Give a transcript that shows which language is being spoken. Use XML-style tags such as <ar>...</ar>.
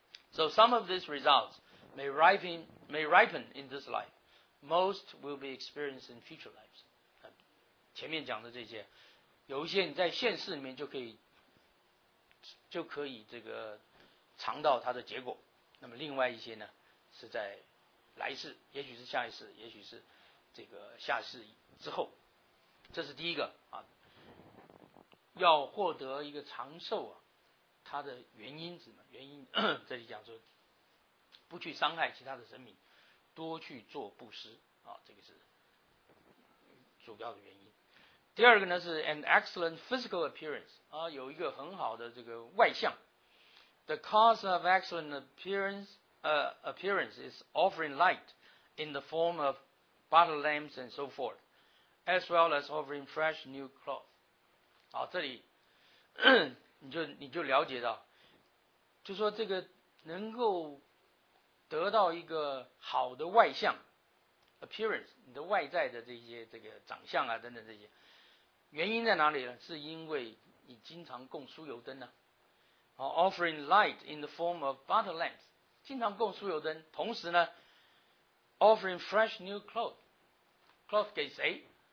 <en>So some of these results may ripen in this life. Most will be experienced in future lives.</en> <zh>前面讲的这些，有一些你在现世里面就可以这个尝到它的结果。那么另外一些呢，是在来世，也许是下一世，也许是这个下世之后。这是第一个啊，要获得一个长寿啊。它的原因是什么？原因这里讲说，不去伤害其他的生命，多去做布施啊，这个是主要的原因。第二个呢是</zh> <en>an excellent physical appearance</en> <zh>啊，有一个很好的这个外相。</zh> <en>The cause of excellent appearance is offering light in the form of body lamps and so forth, as well as offering fresh new cloth.</en> <zh>啊，这里。你就了解到，就说这个能够得到一个好的外相 appearance， 你的外在的这些这个长相啊等等这些，原因在哪里呢？是因为你经常供酥油灯呢、啊、，</zh> <en>offering light in the form of butter lamps，</en> <zh>经常供酥油灯，同时呢 ，</zh> <en>offering fresh new cloth</en> <zh>给谁？</zh>